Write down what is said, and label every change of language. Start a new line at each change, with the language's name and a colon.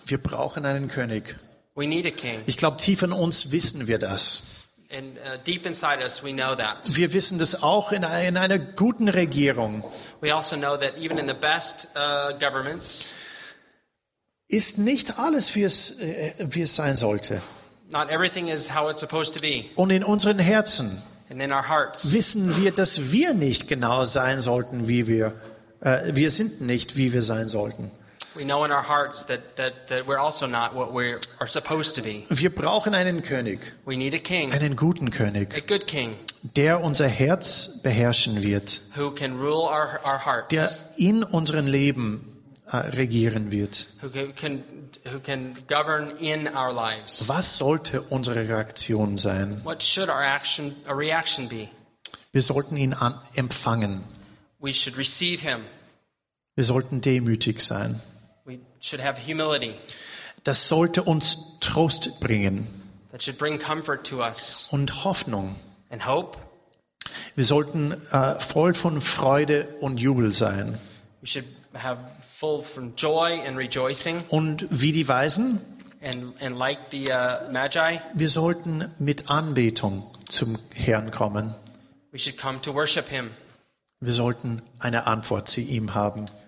German: Wir brauchen einen König.
English: We need a king.
German: Ich glaube, tief in uns wissen wir das.
English: And deep inside us, we know that.
German: Wir wissen das auch in einer guten Regierung.
English: We also know that even in the best governments,
German: ist nicht alles, wie es sein sollte.
English: Not everything is how it's supposed to be.
German: Und in unseren Herzen,
English: and in our hearts,
German: wissen wir, dass wir nicht genau sein sollten, wie wir. Wir sind nicht, wie wir sein sollten.
English: We know in our hearts that we're also not what we are supposed to be.
German: Wir brauchen einen König.
English: We need a king.
German: Einen guten König.
English: A good king.
German: Der unser Herz beherrschen wird.
English: Who can rule our hearts.
German: Der in unserem Leben regieren wird.
English: Who can govern in our lives.
German: Was sollte unsere Reaktion sein?
English: What should our reaction be?
German: Wir sollten ihn empfangen.
English: We should receive him.
German: Wir sollten demütig sein.
English: We should have humility.
German: Das sollte uns Trost bringen.
English: That should bring comfort to us.
German: Und Hoffnung.
English: And hope.
German: Wir sollten voll von Freude und Jubel sein.
English: We should have full from joy and rejoicing.
German: Und wie die Weisen?
English: And like the Magi.
German: Wir sollten mit Anbetung zum Herrn kommen.
English: We should come to worship him.
German: Wir sollten eine Antwort zu ihm haben.